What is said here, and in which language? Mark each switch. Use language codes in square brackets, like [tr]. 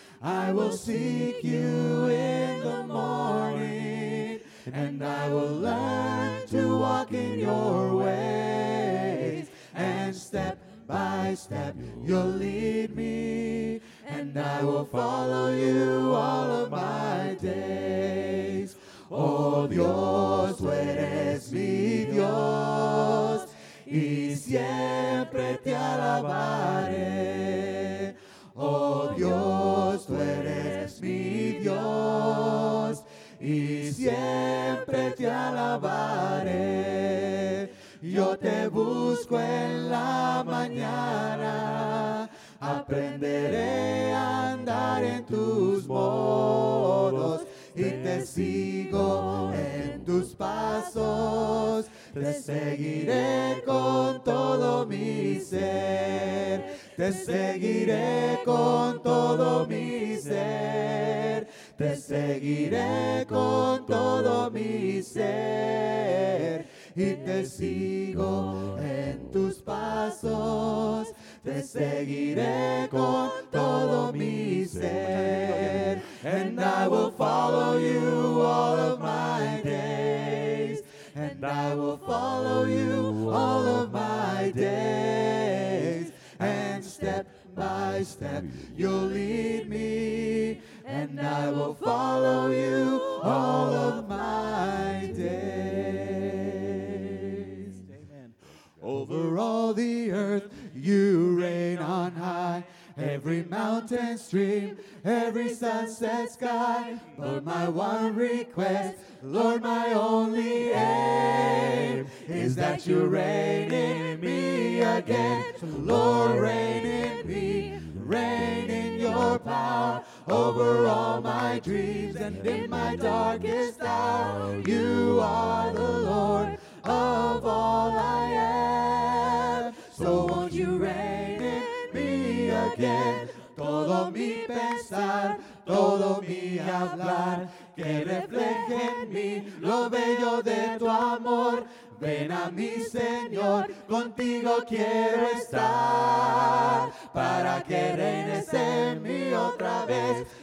[en] I will seek you in the morning, and I will learn to walk in your ways and step by step, you'll lead me, and I will follow you all of my days. [es] Oh, Dios, tú eres mi Dios, y siempre te alabaré. Oh, Dios, tú eres mi Dios, y siempre te alabaré. Yo te busco en la mañana, aprenderé a andar en tus modos y te sigo en tus pasos, te seguiré con todo mi ser, te seguiré con todo mi ser, te seguiré con todo mi ser. Y te sigo en tus pasos, te seguiré con todo mi ser. [en] And I will follow you all of my days, and I will follow you all of my days. And step by step you'll lead me, and I will follow you all of my days. Over all the earth, you reign on high. Every mountain stream, every sunset sky. But my one request, Lord, my only aim, is that you reign in me again. Lord, reign in me, reign in your power. Over all my dreams and in my darkest hour, you are the Lord of all I am. So won't you reign in me again? [es] Todo mi pensar, todo mi hablar, que refleje en mí lo bello de tu amor. Ven a mi Señor, contigo quiero estar, para que reines en mí otra vez.